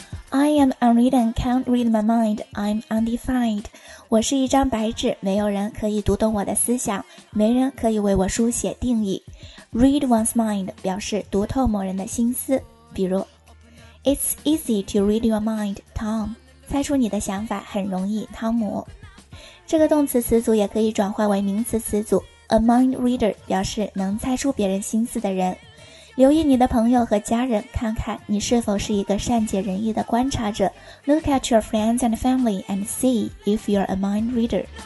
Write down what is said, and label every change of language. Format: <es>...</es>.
<en>I am unwritten, can't read my mind, I'm undefined.</en> <zh>我是一张白纸，没有人可以读懂我的思想，没人可以为我书写定义。 Read one's mind 表示读透某人的心思，比如</zh> <en>It's easy to read your mind, Tom.</en> <zh>猜出你的想法很容易，汤姆。这个动词词组也可以转化为名词词组。 A mind reader 表示能猜出别人心思的人。留意你的朋友和家人，看看你是否是一个善解人意的观察者。</zh> <en>Look at your friends and family and see if you're a mind reader.</en>